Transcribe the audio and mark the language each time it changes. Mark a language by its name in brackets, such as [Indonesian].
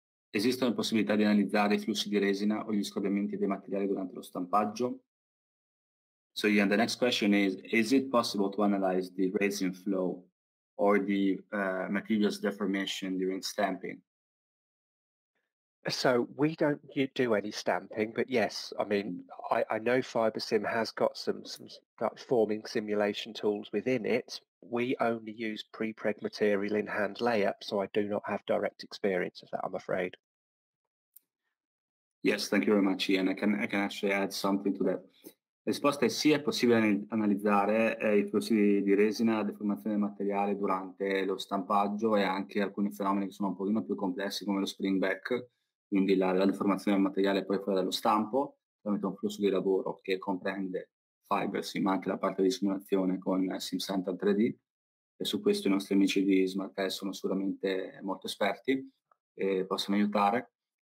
[Italian] Esistono le possibilità di analizzare i flussi di resina o gli scorrimenti dei materiali durante lo stampaggio? [English] So yeah, the next question is it possible to analyze the resin flow or the materials deformation during stamping? So we don't do any stamping, but yes, I mean, I know FiberSim has got some forming simulation tools within it. We only use prepreg material in hand layup, so I do not have direct experience of that, I'm afraid. Yes, thank you very much, Ian. I can actually add something to that. [Italian] Risposta è sì, è possibile analizzare i flussi di resina, la deformazione del materiale durante lo stampaggio e anche alcuni fenomeni che sono un pochino più complessi come lo spring back, quindi la deformazione del materiale poi fuori dallo stampo, tramite un flusso di lavoro che comprende FiberSim, ma anche la parte di simulazione con SimCentral 3D, e su questo i nostri amici di SmartCAD sono sicuramente molto esperti e possono aiutare.